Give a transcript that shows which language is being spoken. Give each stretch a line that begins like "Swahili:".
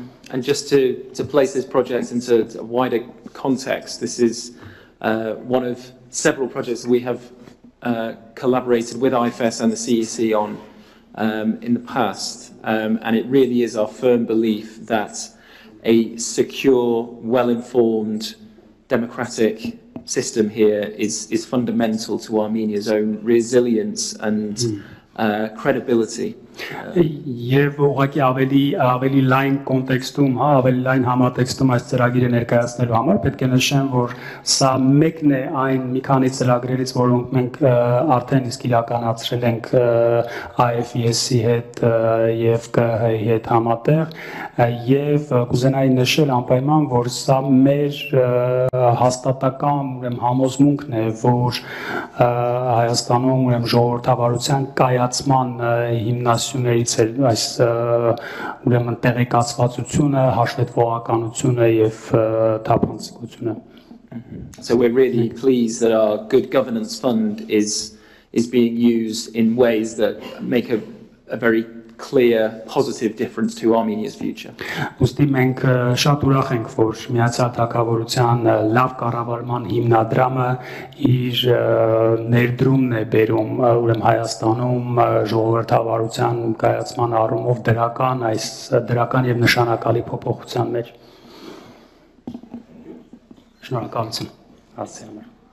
English: And just to place this project into a wider context, this is one of several projects we have collaborated with IFES and the CEC on in the past, and it really is our firm belief that a secure, well-informed democratic system here is fundamental to Armenia's own resilience and credibility.
Armenian: Եվ ուղղակի ավելի լայն կոնտեքստում, հա, ավելի լայն համատեքստում այս ծրագիրը ներկայացնելու համար պետք է նշեմ, որ սա մեկն է այն մի քանի ծրագրերից, որոնք մենք արդեն իսկ իրականացրել ենք IFES-ի հետ եւ ԿԸՀ-ի հետ համատեղ, եւ կուզենայի նշել անպայման, որ սա մեր հաստատական, ուրեմն, համոզմունքն է, որ Հայաստանում, ուրեմն, ժողովրդավարության կայացման հիմնական ասյուներից էլ այս ուրեմն տեղեկացվածությունը, հաշվետվողականությունը եւ թափանցիկությունը.
English: So we're really pleased that our good governance fund is being used in ways that make a very clear positive difference to Armenia's future.
Armenian: Ուստի մենք շատ ուրախ ենք, որ Միացյալ Թագավորության լավ կառավարման հիմնադրամը իր ներդրումն է բերում, ուրեմն, Հայաստանում ժողովրդավարության կայացման առումով դրական, այս դրական եւ նշանակալի փոփոխության մեջ։ Շնորհակալություն։ Հարցերը։